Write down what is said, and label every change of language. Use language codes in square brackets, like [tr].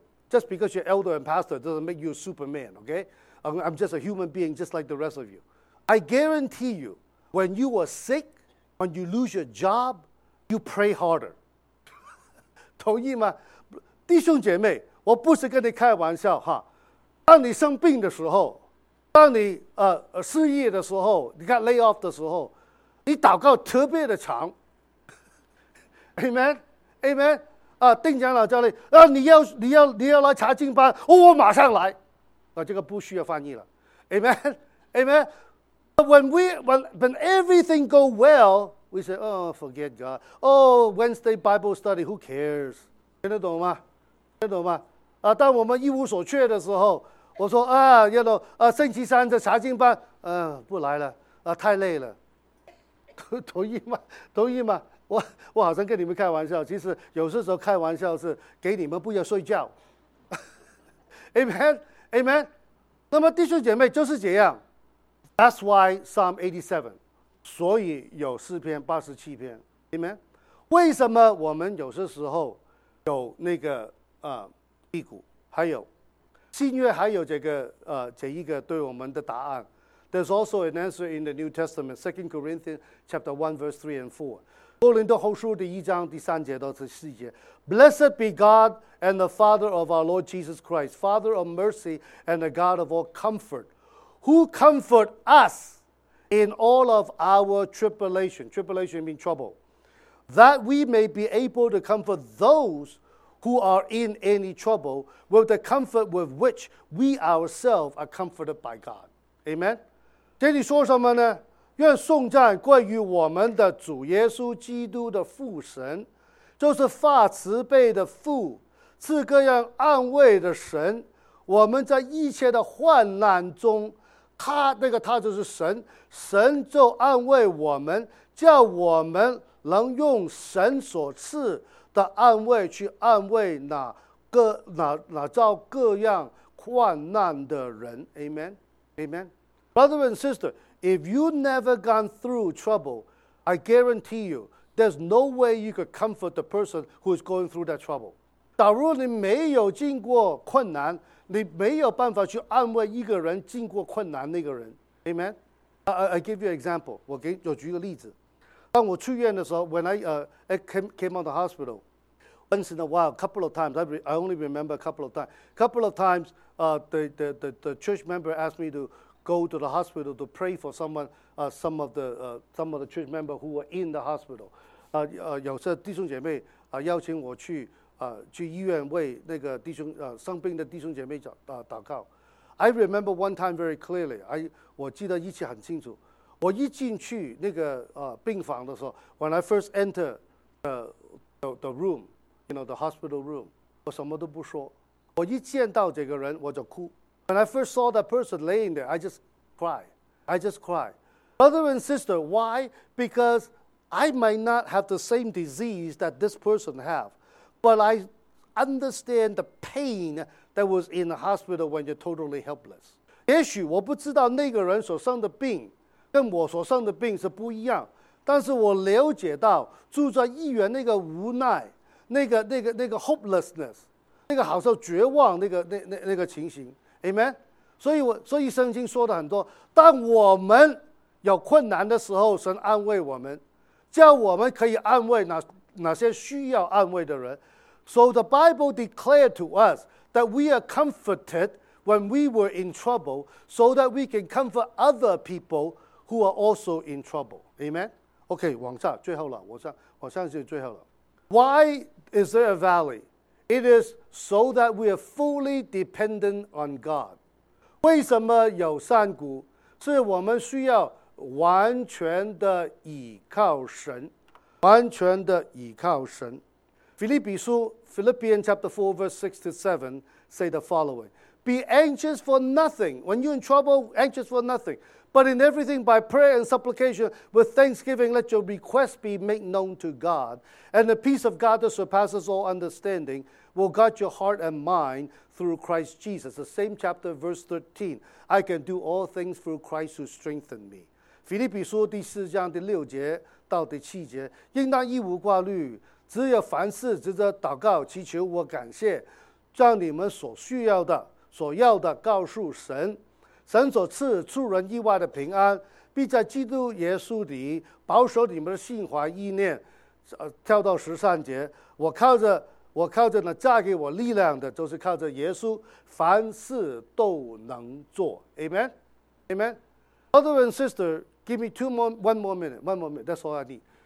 [en] Just because you're elder and pastor doesn't make you a superman, okay? I'm just a human being just like the rest of you. I guarantee you, when you are sick, when you lose your job, you pray harder. [zh] 同意吗？弟兄姐妹，我不是跟你开玩笑哈。当你生病的时候，当你失业的时候，你看 lay off 的时候，你祷告特别的长。 Amen, Amen. 啊，丁长老教你，啊，你要来查经班，哦，我马上来。啊，这个不需要翻译了。Amen, Amen. [en] But when everything go well, we say, oh, forget God. Oh, Wednesday Bible study, who cares? 听得懂吗？听得懂吗？ [zh] 啊，当我们一无所缺的时候，我说啊，要到啊星期三的查经班，不来了，啊，太累了。同意吗？同意吗？我好像跟你们开玩笑，其实有些时候开玩笑是给你们不要睡觉。 [en] Amen, Amen. [zh] 那么弟兄姐妹就是这样。 [en] That's why Psalm 87, 所以有诗篇87篇 ,Amen? [zh] 为什么我们有些时候有那个低谷，还有新约还有这个这一个对我们的答案。 [en] There's also an answer in the New Testament, 2 Corinthians chapter 1, verse 3 and 4. [zh] 哥林多后书第一章第三节到第四节。 [en] Blessed be God and the Father of our Lord Jesus Christ, Father of mercy and the God of all comfort. Who comfort us in all of our tribulation? Tribulation means trouble. That we may be able to comfort those who are in any trouble with the comfort with which we ourselves are comforted by God. [zh] Amen? 这里说什么呢？愿颂赞归于我们的主耶稣基督的父神，就是发慈悲的父，赐各样安慰的神，我们在一切的患难中他那个他就是神，神就安慰我们，叫我们能用神所赐的安慰去安慰那遭各样患难的人。 [en] Amen, Amen. Brother and sister, if you never gone through trouble, I guarantee you, there's no way you could comfort the person who is going through that trouble. [zh] 假如你没有经过困难，你没有办法去安慰一个人经过困难那个人 ，Amen. [en] I give you an example. 我举个例子。当我出院的时候，when I came out of the hospital, once in a while, couple of times, I only remember a couple of times. Couple of times, the church member asked me to go to the hospital to pray for someone, some of the church member who were in the hospital. [zh] 有些弟兄姐妹邀请我去。去医院为那个弟兄生病的弟兄姐妹祷告。 [en] I remember one time very clearly. 我记得一切很清楚。我一进去那个病房的时候，when I first enter the room, you know the hospital room, 我什么都不说。 [zh] 我一见到这个人我就哭。 [en] When I first saw that person laying there, I just cry. I just cry. Brother and sister, why? Because I might not have the same disease that this person have. But I understand the pain that was in the hospital when you're totally helpless. [zh] 也许我不知道那个人所生的病跟我所生的病是不一样，但是我了解到住在医院那个无奈，那个 hopelessness， 那个好像绝望那个情形。 [en] Amen. [zh] 所以圣经说的很多，当我们有困难的时候，神安慰我们，叫我们可以安慰那些需要安慰的人。 [en] So the Bible declared to us that we are comforted when we were in trouble so that we can comfort other people who are also in trouble. Amen? [zh] OK， 往下最后了，往上是最后了。 [en] Why is there a valley? It is so that we are fully dependent on God. [zh] 为什么有山谷？是我们需要完全的倚靠神，完全的倚靠神。 [en] Philippians chapter 4 verse 6 to 7 say the following. Be anxious for nothing. When you're in trouble, anxious for nothing. But in everything by prayer and supplication with thanksgiving, let your requests be made known to God. And the peace of God that surpasses all understanding will guard your heart and mind through Christ Jesus. The same chapter verse 13. I can do all things through Christ who strengthened me. [zh] 腓立比书第四章第六节到第七节，应当一无挂虑，只有凡事藉着祷告祈求我感谢，将你们所需要的所要的告诉神，神所赐出人意外的平安必在基督耶稣里保守你们的心怀意念。跳到十三节，我靠着那加给我力量的，就是靠着耶稣凡事都能做。 [en] Amen Amen。 Brother and sister, give me one more minute, that's all I need.